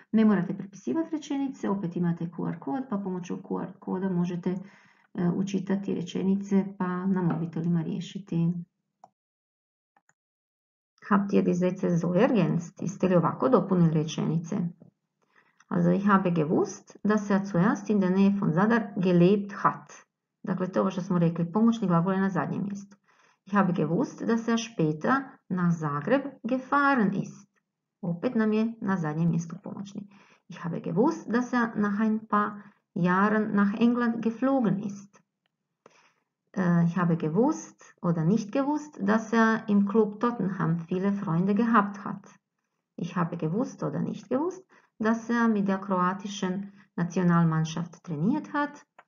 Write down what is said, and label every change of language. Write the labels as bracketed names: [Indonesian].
[Croatian] Ne morate prepisivati rečenice, opet imate QR kod, pa pomoću QR koda možete učitati rečenice, pa na mobitelima riješiti. [German] Habt ihr die Sätze so ergänzt? [Croatian] Jeste li ovako dopunili rečenice? [German] Also ich habe gewusst, dass er zuerst in der Nähe von Zadar gelebt hat. [Croatian] Dakle, to je ovo što smo rekli, pomoćni glagol je na zadnjem mjestu. [German] Ich habe gewusst, dass er später nach Zagreb gefahren ist. [Croatian] Opet nam je na zadnjem mjestu pomoćni. [German] Ich habe gewusst, dass er nach ein paar Jahren nach England geflogen ist. Ich habe gewusst oder nicht gewusst, dass er im Club Tottenham viele Freunde gehabt hat. Ich habe gewusst oder nicht gewusst, dass er mit der kroatischen Nationalmannschaft trainiert hat.